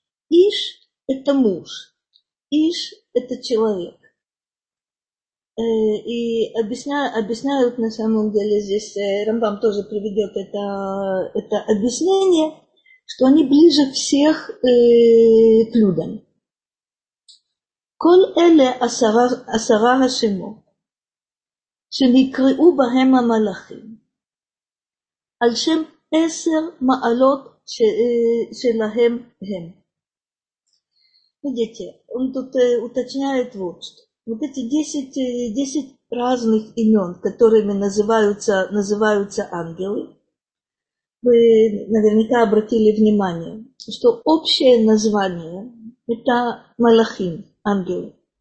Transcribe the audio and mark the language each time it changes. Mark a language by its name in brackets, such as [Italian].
[Russian] Иш – это муж. Иш – это человек. И объясняют, на самом деле, здесь Рамбам тоже приведет это объяснение, что они ближе всех к людям. [Hebrew] כל אלה עשרה השמות שנקראו בהם המלאכים על שם 10 מעלות שלהם הם. [Russian] Видите, он тут уточняет вот что. Вот эти 10 разных имен, которыми называются ангелы, вы наверняка обратили внимание, что общее название – это малахим. Ангелы.